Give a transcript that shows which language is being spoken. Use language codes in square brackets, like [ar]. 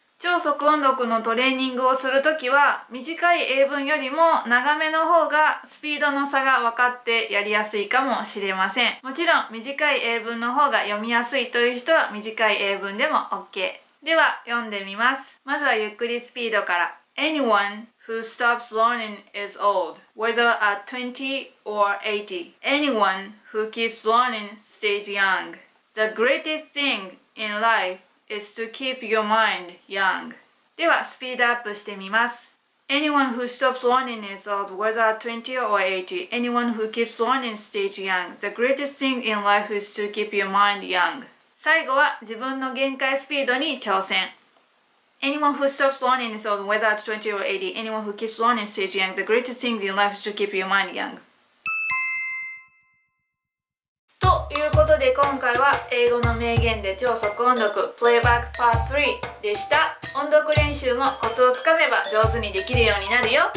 [ja] 超速音読のトレーニングをするときは、短い英文よりも長めの方がスピードの差が分かってやりやすいかもしれません。もちろん短い英文の方が読みやすいという人は短い英文でも OK。では読んでみます。まずはゆっくりスピードから。 [en] Anyone who stops learning is old, whether at 20 or 80. Anyone who keeps learning stays young. The greatest thing in lifeis to keep your mind young. [ja] ではスピードアップしてみます。 [en] Anyone who stops learning is old, whether at 20 or 80. Anyone who keeps learning stays young. The greatest thing in life is to keep your mind young. [ja] 最後は自分の限界スピードに挑戦。 [en] Anyone who stops learning is old, whether at 20 or 80. Anyone who keeps learning stays young. The greatest thing in life is to keep your mind young. [ja] ということで今回は英語の名言で超速音読プレイバックパート3でした。音読練習もコツをつかめば上手にできるようになるよ。